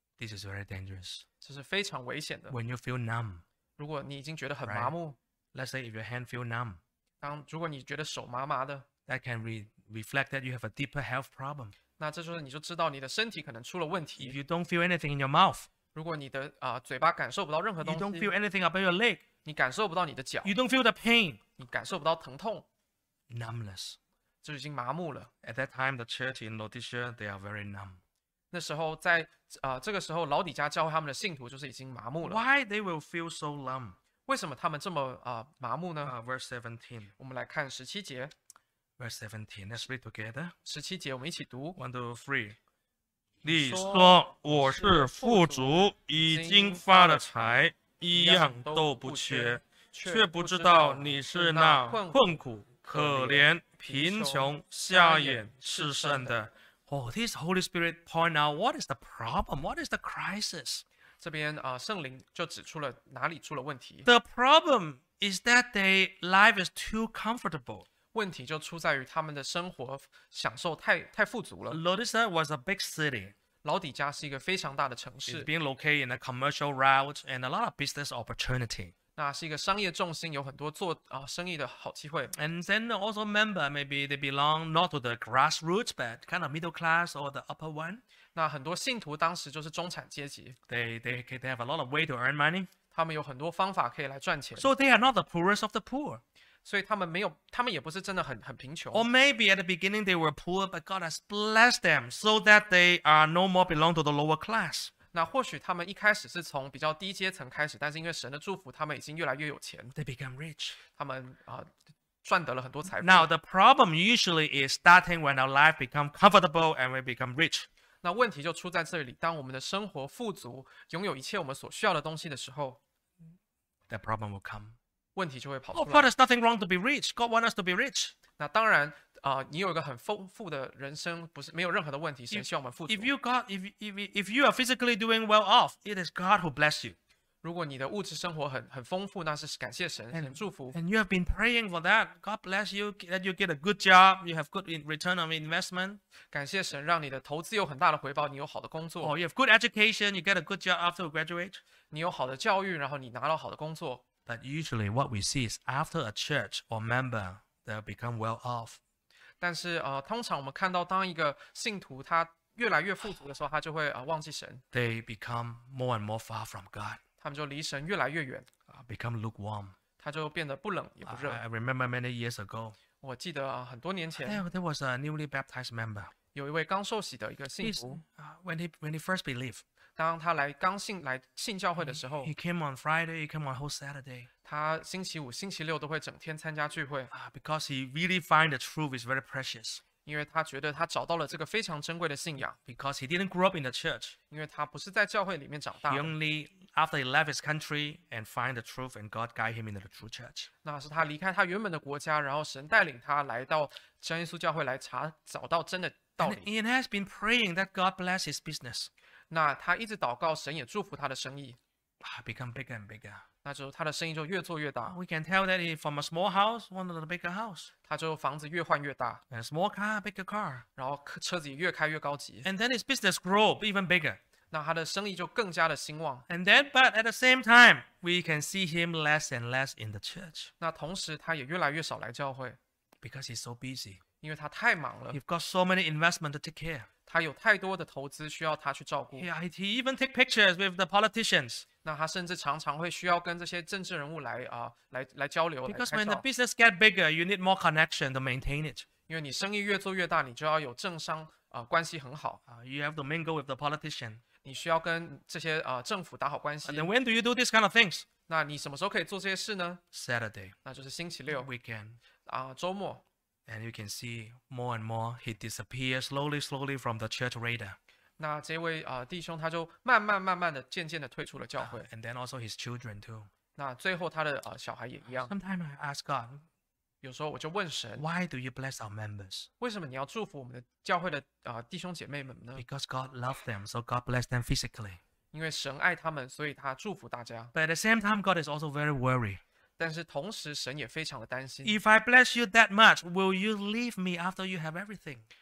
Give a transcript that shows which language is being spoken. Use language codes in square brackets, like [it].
[en] This is very dangerous. [zh] 这是非常危险的。 [en] When you feel numb, [zh] 如果你已经觉得很麻木 [en] right? Let's say if your hand feel numb, [zh] 当如果你觉得手麻麻的 [en] That can reflect that you have a deeper health problem. [zh] 那这就是你就知道你的身体可能出了问题。 [en] If you don't feel anything in your mouth, [zh] 如果你的嘴巴感受不到任何东西 [en] You don't feel anything about your leg, [zh] 你感受不到你的脚 [en] You don't feel the pain. [zh] 你感受不到疼痛 [en] numbness [zh] 就已经麻木了 [en] at that time the church in Laodicea they are very numb [zh] 那时候在这个时候老底家教会他们的信徒就是已经麻木了 [en] why they will feel so numb [zh] 为什么他们这么麻木呢 [en] verse 17 [zh] 我们来看十七节 [en] verse 17 let's read together [zh] 十七节我们一起读 [en] one two three [zh] 你说我是富足已经发了财一样都不缺却不知道你是那困苦、可怜、贫穷、瞎眼、赤身的。 [en] Oh, this Holy Spirit point out what is the problem? What is the crisis? [zh] 这边圣灵就指出了哪里出了问题。 [en] The problem is that their life is too comfortable. [zh] 问题就出在于他们的生活享受太富足了。 [en] Laodicea was a big city. [zh] 老底家是一个非常大的城市。 [en] It's being located in a commercial route and a lot of business opportunity. [zh] 那是一个商业重心，有很多做生意的好机会。 [en] And then also member maybe they belong not to the grassroots but kind of middle class or the upper one. [zh] 那很多信徒当时就是中产阶级。 [en] They have a lot of way to earn money. [zh] 他们有很多方法可以来赚钱。 [en] So they are not the poorest of the poor. [zh] 所以他们也不是真的很贫穷。 [en] Or maybe at the beginning they were poor but God has blessed them so that they are no more belong to the lower class. [zh] 那或许他们一开始是从比较低阶层开始，但是因为神的祝福，他们已经越来越有钱。 [en] They become rich. [zh] 他们赚得了很多财富。 [en] Now the problem usually is starting when our life become comfortable and we become rich. [zh] 那问题就出在这里，当我们的生活富足，拥有一切我们所需要的东西的时候 [en] the problem will come. [zh] 问题就会跑出来。 [en] Oh, but there's nothing wrong to be rich. God wants us to be rich. [zh] 那当然，你有一个很丰富的人生，不是没有任何的问题，神希望我们富足。 [en] If you are physically doing well off, it is God who bless you. [zh] 如果你的物质生活很丰富，那是感谢神，很祝福。 [en] And you have been praying for that. God bless you that you get a good job. You have good return on investment. [zh] 感谢神，让你的投资有很大的回报，你有好的工作。 [en] Or you have good education. You get a good job after you graduate. [zh] 你有好的教育，然后你拿到好的工作。 [en] But usually what we see is after a church or member, they'll become well off. [zh] 但是通常我们看到当一个信徒他越来越富足的时候，他就会忘记神。 [en] They become more and more far from God. [zh] 他们就离神越来越远。 [en] Become lukewarm. [zh] 他就变得不冷也不热。 [en] I remember many years ago. [zh] 我记得很多年前。 [en] There was a newly baptized member. [zh] 有一位刚受洗的一个信徒。 [en] When he first believed. [zh] 当他来刚信来信教会的时候 [en] ，He came on Friday, he came on whole Saturday. [zh] 他星期五、星期六都会整天参加聚会。 [en] Because he really find the truth is very precious. [zh] 因为他觉得他找到了这个非常珍贵的信仰。 [en] Because he didn't grow up in the church. [zh] 因为他不是在教会里面长大的。 [en] He only after he left his country and find the truth and God guide him into the true church. [zh] 那是他离开他原本的国家，然后神带领他来到真耶稣教会来查找到真的道理。 [en] And he has been praying that God bless his business. [zh] 那他一直祷告，神也祝福他的生意。 [en] Become bigger and bigger. [zh] 那就他的生意就越做越大。 [en] We can tell that he from a small house, one of the bigger house. [zh] 他就房子越换越大。 [en] And small car, bigger car. [zh] 然后车子越开越高级。 [en] And then his business grow even bigger. [zh] 那他的生意就更加的兴旺。 [en] And then, but at the same time, we can see him less and less in the church. [zh] 那同时他也越来越少来教会。 [en] Because he's so busy. [zh] 因为他太忙了。 [en] You've got so many investment to take care. [zh] 他有太多的投资需要他去照顾。 [en] Yeah, he even take pictures with the politicians. [zh] 那他甚至常常会需要跟这些政治人物来交流。 [en] Because when the business get bigger, you need more connection to maintain it. [zh] 因为你生意越做越大，你就要有政商关系很好。 [en] You have to mingle with the politician. [zh] 你需要跟这些政府打好关系。 [en] And then when do you do these kind of things? [zh] 那你什么时候可以做这些事呢 [en] ？Saturday. [zh] 那就是星期六。 [en] Weekend. [zh] 周末。 [en] And you can see more and more he disappears slowly, slowly from the church radar. [zh] 那这位弟兄他就慢慢慢慢的渐渐的退出了教会。 [en] And then also his children too. [zh] 那最后他的小孩也一样。 [en] Sometimes I ask God. [zh] 有时候我就问神。 [en] Why do you bless our members? [zh] 为什么你要祝福我们的教会的弟兄姐妹们呢 [en] ？Because God loves them, so God bless them physically. [zh] 因为神爱他们，所以他祝福大家。 [en] But at the same time, God is also very worried. [zh] 但是同时神也非常的担心。 [en] If I bless you that much, will you leave me after you have everything?